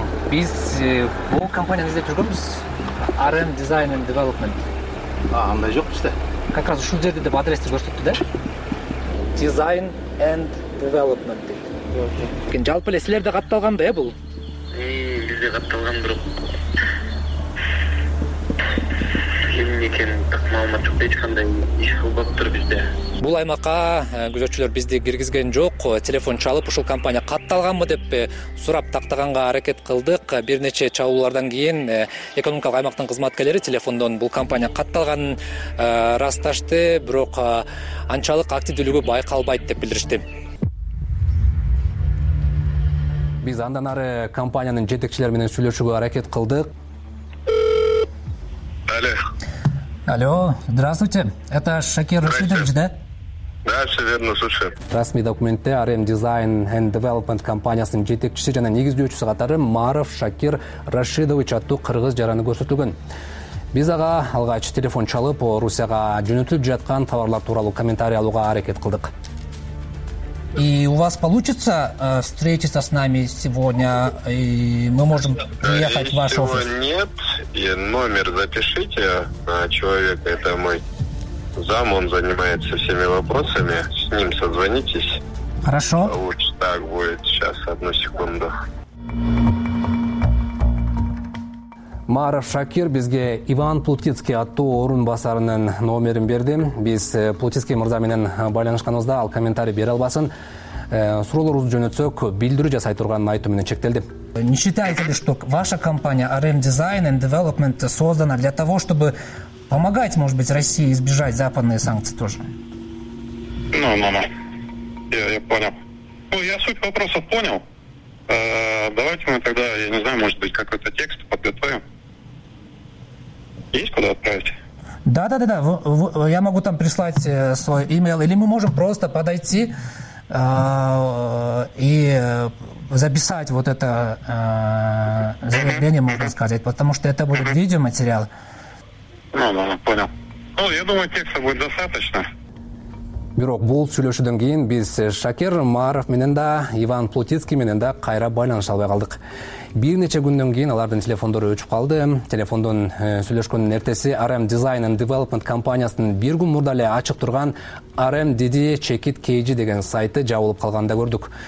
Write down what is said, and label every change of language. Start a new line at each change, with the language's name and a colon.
Kyrgyz: Биз бул компанияны издеп жүргөнбүз.
English: RM Design and Development.
Kyrgyz: Андай жок бизде.
Russian: Как раз
Kyrgyz: ушул жерде деп адрести көрсөттү да. Design and Development деп. Окей. Жалпы эле силерде катталган да бул? Бизде катталган, бирок эмне экен так маалымат жок, эч кандай иш кылбаптыр бизде. Бул аймакка күзөтчүлөр бизди киргизген жок. Телефон чалып, ушул компания катталганбы деп сурап тактаганга аракет кылдык. Бир нече чабуулардан кийин экономикалык аймактын кызматкерлери телефондон бул компания катталганын расташты, бирок анчалык активдүүлүгү байкалбайт деп билдиришти. Биз андан ары компаниянын жетекчилери менен сүйлөшүүгө аракет кылдык.
Russian: Алло. Алло, здравствуйте. Это Шакир Рашидович, да? Да, все верно, слушаю.
Kyrgyz: Расмий документте RM Design and Development компаниясынын жетекчиси жана негиздөөчүсү катары Маров Шакир Рашидович аттуу кыргыз жараны көрсөтүлгөн. Биз ага алгач телефон чалып, Орусияга жөнөтүлүп жаткан товарлар тууралуу комментарий алууга аракет кылдык.
Russian: И у вас получится встретиться с нами сегодня, и мы можем приехать в ваш офис? Нет, и номер запишите на человека, это мой зам, он занимается всеми вопросами, с ним созвонитесь. Хорошо. Лучше так будет, сейчас, одну секунду.
Kyrgyz: Маров Шакир бизге Иван Плутицкий аттуу орун басарынын номерин берди. Биз Плутицкий мырза менен байланышканыбызда ал комментарий бере албасын. Суроолорубузду жөнөтсөк, билдирүү жасай турганын айтуу менен чектелди.
Russian: Не считаете ли, что ваша компания RM Design and Development создана для того, чтобы помогать, может быть, России избежать западные санкции тоже? Я понял. Я суть вопроса понял. Давайте мы тогда, я не знаю, может быть, какой-то текст подготовим. Есть куда отправить? Да. Я могу там прислать свой имейл. Или мы можем просто подойти и записать вот это заявление, можно сказать. Потому что это будет видеоматериал. Понял. Я думаю, текста будет достаточно.
Kyrgyz: Бирок бул сүйлөшүүдөн кийин биз Шакир Маров менен да Иван Плутицкий менен да кайра байланыша албай калдык. Бир нече күндөн кийин алардын телефондору өчүп калды. Телефондон сүйлөшкөндүн эртеси RM Design and Development компаниясынын бир күн мурда эле ачык турган RMDD Чекит KG деген сайты жабылып калганда көрдүк.